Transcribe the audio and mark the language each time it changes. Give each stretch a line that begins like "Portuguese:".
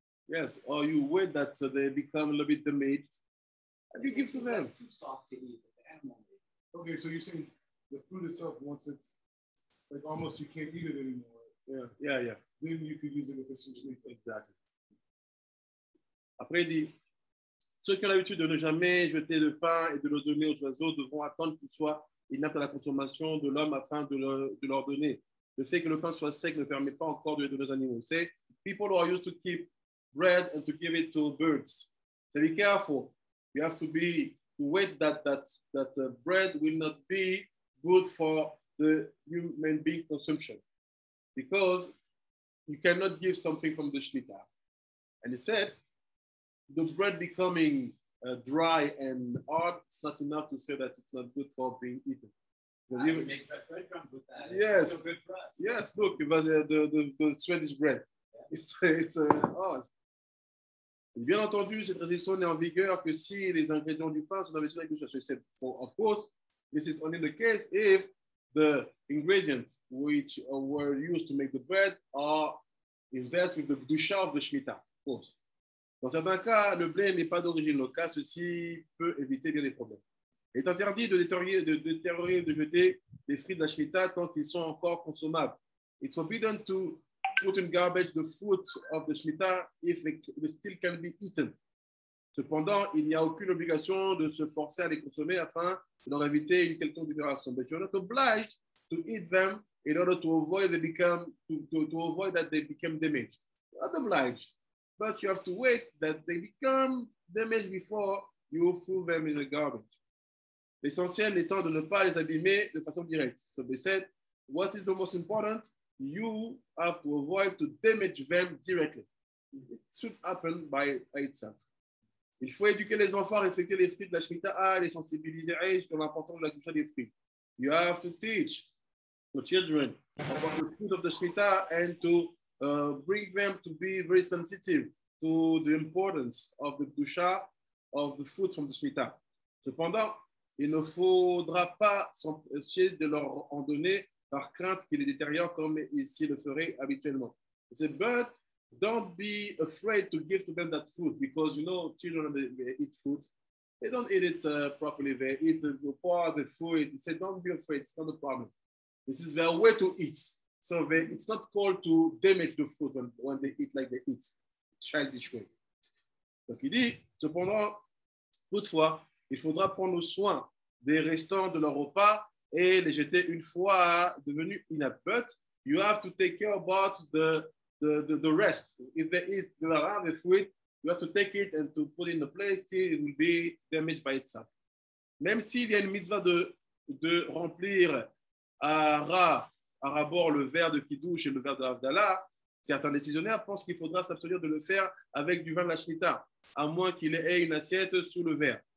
English: Yes, or you wait that they become a little bit damaged, and you give to them. Like too soft to eat, but the animal may. Okay, so you're saying the food itself, once it's like almost you can't eat it anymore. Yeah, yeah, yeah. Then you could use it with a sweet. Exactly.
French: Après, il dit, ceux qui ont l'habitude de ne jamais jeter le pain et de le donner aux oiseaux devront attendre qu'il soit inapte à la consommation de l'homme afin de leur donner. Le fait que le pain soit sec ne permet pas encore de le donner aux animaux.
English: C'est, people who are used to keep bread and to give it to birds. So be careful. You have to be, to wait that bread will not be good for the human being consumption. Because you cannot give something from the shlita. And he said, the bread becoming dry and hard, it's not enough to say that it's not good for being eaten. You make breadcrumbs with that. Yes. It's so good for us. Yes, look, but the Swedish bread. Yeah. It's hard.
French: Bien entendu, cette restriction n'est en vigueur que si les ingrédients du pain sont investis dans la culture.
English: So, of course, this is only the case if the ingredients which were used to make the bread are invested with the kedusha of the Shemitah, of course.
French: Dans certains cas, le blé n'est pas d'origine locale, ceci peut éviter bien des problèmes. Il est interdit de détériorer de jeter des fruits de la shmita tant qu'ils sont encore consommables.
English: It's forbidden to put in garbage the fruit of the shmita if it still can be eaten.
French: Cependant, il n'y a aucune obligation de se forcer à les consommer afin d'en éviter une quelconque dégradation.
English: But you're not obliged to eat them in order to avoid they become to avoid that they become damaged. Not obliged. But you have to wait that they become damaged before you throw them in the garbage.
French: L'essentiel étant de ne pas les abîmer de façon directe.
English: So they said, what is the most important? You have to avoid to damage them directly. It should happen by itself.
French: Il faut éduquer les enfants à respecter les fruits de la Shemitah, à les sensibiliser sur l'importance de la culture des fruits.
English: You have to teach the children about the fruit of the Shemitah and to bring them to be very sensitive to the importance of the kedusha of the food from the shmita.
French: Cependant, il ne faudra pas s'empêcher de leur en donner par crainte qu'ils les détériorent comme ils le feraient habituellement.
English: He said, but don't be afraid to give to them that food because you know children they eat food. They don't eat it properly. They eat the part of the food. He said, don't be afraid. It's not a problem. This is their way to eat. So they, it's not called to damage the fruit when they eat like they eat, childish way.
French: Donc il dit, cependant, toutefois, il faudra prendre soin des restants de leur repas et les jeter une fois devenus inaptes.
English: But you have to take care about the rest. If they eat the fruit, you have to take it and to put it in the place till it will be damaged by itself.
French: Même s'il y a une mitzvah de remplir à rabord le verre de Kiddush et le verre de Havdalah, certains décisionnaires pensent qu'il faudra s'abstenir de le faire avec du vin de la Shmita, à moins qu'il ait une assiette sous le verre.